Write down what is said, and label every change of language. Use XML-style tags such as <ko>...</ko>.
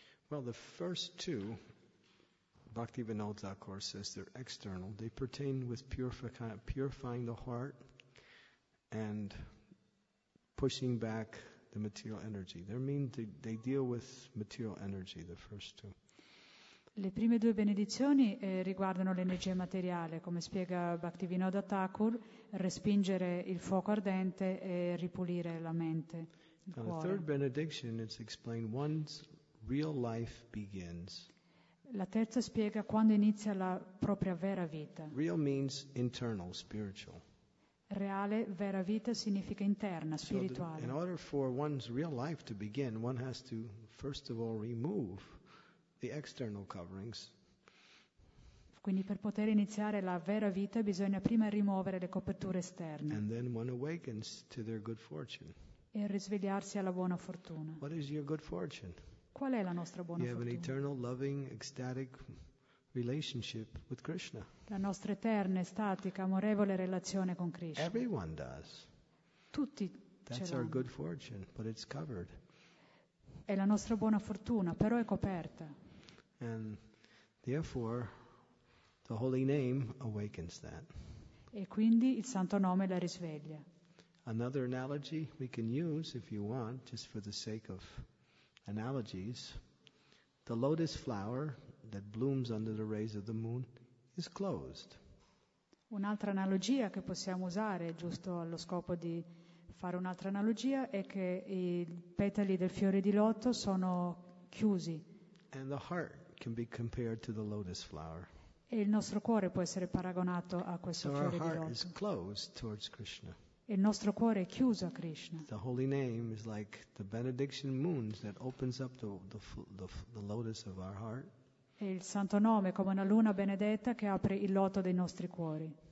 <en>Well, the first two, Bhaktivinoda Thakur says they're external. They pertain with purifying the heart and pushing back the material energy. They mean they deal with material energy, the first two.</en> <it>Le prime due benedizioni riguardano l'energia materiale, come spiega Bhaktivinoda Thakur, respingere il fuoco ardente e ripulire la mente, il cuore.</it> <en>The third benediction is explained once real life begins.</en> <it>La terza spiega quando inizia la propria vera vita.</it> <en>Real means internal, spiritual.</en> <it>Reale, vera vita significa interna, spirituale.</it> <en>In order for one's real life to begin, one has to first of all remove the external coverings.</en> <it>Quindi per poter iniziare la vera vita bisogna prima rimuovere le coperture esterne.</it> <en>And then one awakens to their good fortune.</en> <it>E risvegliarsi alla buona fortuna.</it> <en>What is your good fortune?</en> <it>Qual è la nostra buona fortuna?</it> <en>You have an eternal, loving, ecstatic relationship with Krishna.</en> <it>La nostra eterna, statica, amorevole relazione con Krishna.</it> <en>Everyone does.</en> <it>Tutti.</it> <en>That's our good fortune, but it's covered.</en> <it>È la nostra buona fortuna, però è coperta.</it> <en>And therefore, the holy name awakens that.</en> <it>E quindi il santo nome la risveglia.</it> <en>Another analogy we can use, if you want, just for the sake of analogies, the lotus flower that blooms under the rays of the moon is closed.</en> <it>Un'altra analogia che possiamo usare, giusto allo scopo di fare un'altra analogia, è che i petali del fiore di loto sono chiusi.</it> <en>And the heart can be compared to the lotus flower.</en> <it>E il nostro cuore può essere paragonato a questo fiore di loto.</it> <en>So our heart is closed towards Krishna.</en> <it>Il nostro cuore è chiuso a Krishna.</it> <en>The holy name is like the benediction moon that opens up the lotus of our heart.</en> <it>E il santo nome come una luna benedetta che apre il loto dei nostri cuori.</it>